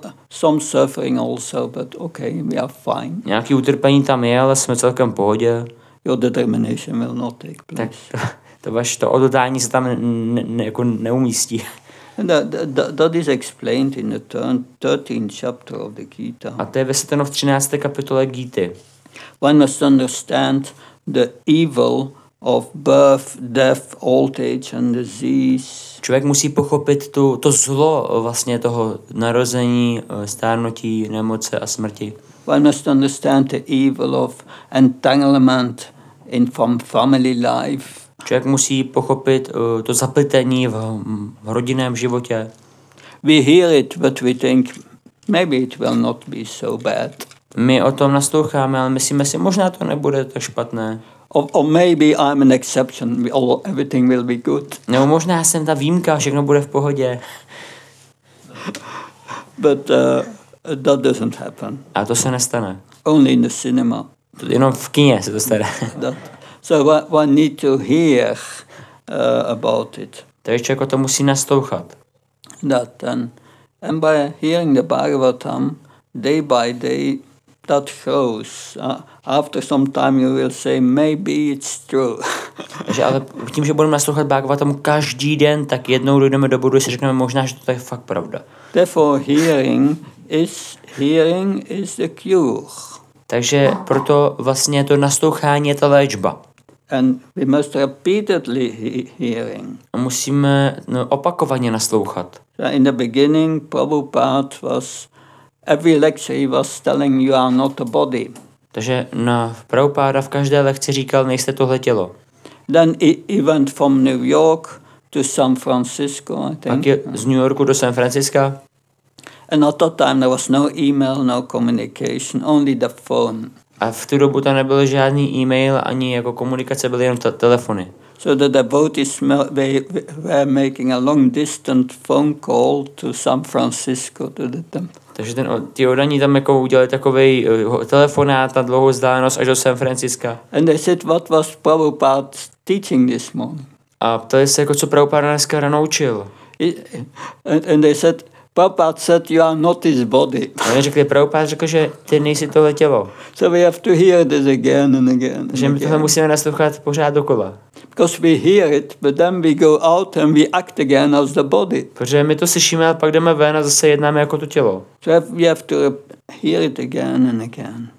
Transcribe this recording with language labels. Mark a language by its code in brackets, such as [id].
[en] Some suffering also, but okay, we are fine. [cs] Nějaký utrpení tam je, ale jsme celkem v pohodě. [en] Your determination will not take place. [cs] Tak to odhodlání se tam jako neumístí. [en] And that is explained in the 13th chapter of the Gita. [cs] A to je vysvětleno v 13. kapitole Gity. [en] One must understand the evil of birth, death, old age and disease. [cs] Člověk musí pochopit to zlo vlastně toho narození, stárnutí, nemoci a smrti. [en] One must understand the evil of entanglement in family life. [cs] Člověk musí pochopit to zapletení v rodinném životě. [en] We hear it, but we think maybe it will not be so bad. [cs] My o tom nasloucháme, ale myslíme si, možná to nebude tak špatné. [en] Or maybe I'm an exception, all everything will be good. [cs] No, možná jsem ta výjimka, všechno bude v pohodě. [en] But that doesn't happen. [cs] A to se nestane. [en] Only in the cinema. [cs] Jenom v kině se to stane. [en] So one need to hear about it. [cs] Takže člověk to musí naslouchat. [en] That and by hearing the Bhagavatam day by day, that grows. After some time you will say maybe it's true. [cs] Takže ale tím, že budeme naslouchat Bhagavatam každý den, tak jednou dojdeme do bodu, že řekneme možná, že to je fakt pravda. [en] Therefore hearing is the cure. [cs] Takže proto vlastně to naslouchání je ta léčba. [en] And we must repeatedly hearing. [cs] A musíme opakovaně naslouchat. [en] In the beginning, Prabhupada was every lecture he was telling you are not the body. [cs] Takže na Prabhupada v každé lekci říkal, nejste tohle tělo. [en] Then he went from New York to San Francisco, I think. [cs] Pak z New Yorku do San Francisca. [en] And at that time there was no email, no communication, only the phone. [cs] A v tu dobu tam nebyl žádný e-mail, ani jako komunikace, byly jenom telefony. [en] So the devotees were making a long distant phone call to San Francisco to the temple. [cs] Takže ti odaní tam jako udělali takový telefonát na dlouhou vzdálenost až do San Francisca. [en] And they said, what was Prabhupada teaching this morning? [cs] A ptali se, jako co Prabhupada dneska ráno učil. [en] And they said, Prabhupada said, you are not his body. [cs] A oni řekli, Prabhupada řekl, že ty nejsi tohle tělo. [en] So we have to hear this again and again. [cs] Že my tohle musíme naslouchat pořád dokola. [en] Because we hear it, but then we go out and we act again as the body. [cs] Protože my to slyšíme, a pak jdeme ven a zase jednáme jako to tělo. [en] So we have to hear it again and again.